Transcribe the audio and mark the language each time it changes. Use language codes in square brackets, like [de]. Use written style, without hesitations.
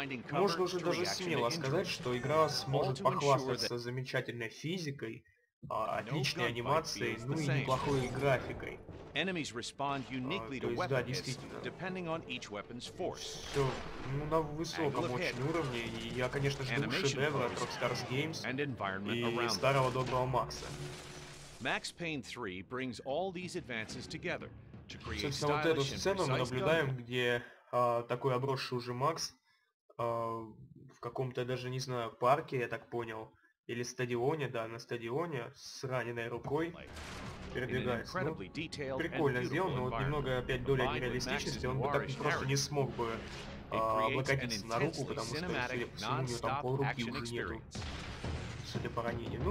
[ru] Можно уже даже смело сказать, что игра сможет похвастаться замечательной физикой, отличной анимацией, ну и неплохой графикой. [en] Enemies respond uniquely to weapon hits, depending on each weapon's force. [ru] Все, ну, на высоком очень уровне, и я, конечно, жду шедевра от Rockstar Games и старого доброго Макса. [en] Max Payne 3 brings all these advances together to create stylish and precise gunplay. [ru] Собственно, вот эту сцену мы наблюдаем, где такой обросший уже Макс в каком-то даже, не знаю, парке, я так понял, или стадионе, да, на стадионе, с раненой рукой передвигается. Ну, прикольно сделано, но вот немного опять доля нереалистичности, он бы так просто не смог бы облокотиться на руку, потому что, судя по всему, у него там пол руки уже нету, судя по ранению.